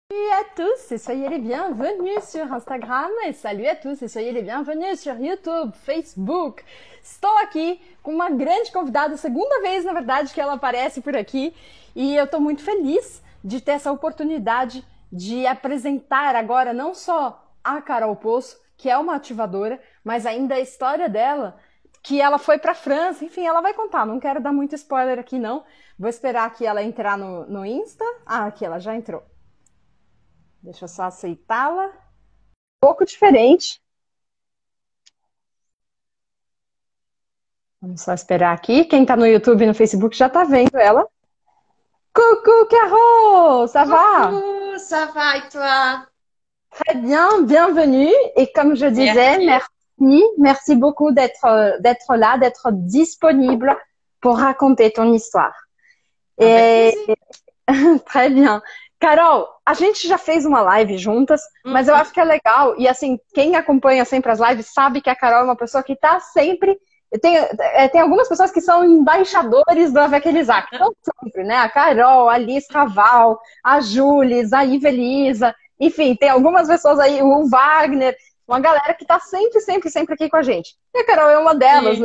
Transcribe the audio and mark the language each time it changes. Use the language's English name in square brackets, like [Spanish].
[French] Salut à tous et soyez les bienvenus sur Instagram et salut à tous et soyez les bienvenus sur YouTube, Facebook. [Portuguese] Estou aqui com uma grande convidada, segunda vez na verdade que ela aparece por aqui e eu estou muito feliz de ter essa oportunidade de apresentar agora não só a Carol Poço, que é uma ativadora, mas ainda a história dela, que ela foi para a França, enfim, ela vai contar, não quero dar muito spoiler aqui não, vou esperar que ela entrar no Insta. Ah, aqui ela já entrou. Deixa eu só aceitá-la. Um pouco diferente. Vamos só esperar aqui. Quem tá no YouTube e no Facebook já tá vendo ela. [French] Cucu, [Portuguese] que arroz! [French] Ça va? Cucu, ça va et toi? Très bien, bienvenue. Et comme je disais, merci beaucoup d'être là, d'être disponible pour raconter ton histoire. Et... Très bien. [Portuguese] Carol, a gente já fez uma live juntas, mas eu acho que é legal, e assim, quem acompanha sempre as lives sabe que a Carol é uma pessoa que tá sempre, tem algumas pessoas que são embaixadores do Avec Elisac, então sempre, né, a Carol, a Liz Raval, a Jules, a Ivelisa, enfim, tem algumas pessoas aí, o Wagner, uma galera que tá sempre, sempre, sempre aqui com a gente, e a Carol é uma delas,